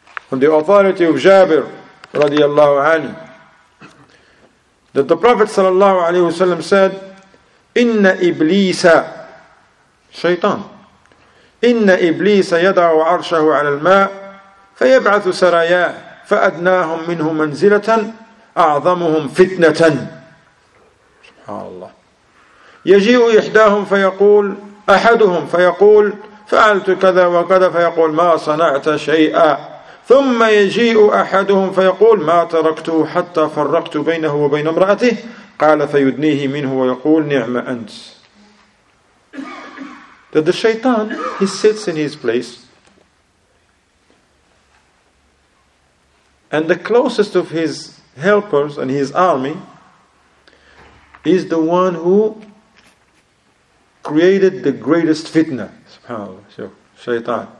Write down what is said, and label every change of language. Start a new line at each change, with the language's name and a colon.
English: On the authority of Jabir radiallahu anhu, that the Prophet sallallahu alaihi wasallam said,
Arabic: Inna Iblisa, Shaitan, Inna Iblisa yada'u arshahu ala al-ma' فيبعث سراياه فأدناهم منه منزلة أعظمهم فتنة. سبحان الله. يجيء إحداهم فيقول أحدهم فيقول فعلت كذا وكذا فيقول ما صنعت شيئا. ثم يجيء أحدهم فيقول ما تركته حتى فرقت بينه وبين امرأته. قال فيدنيه منه ويقول نعم أنت.
English: That the shaitan, he sits in his place. And the closest of his helpers and his army is the one who created the greatest fitna. SubhanAllah. So, shaitan.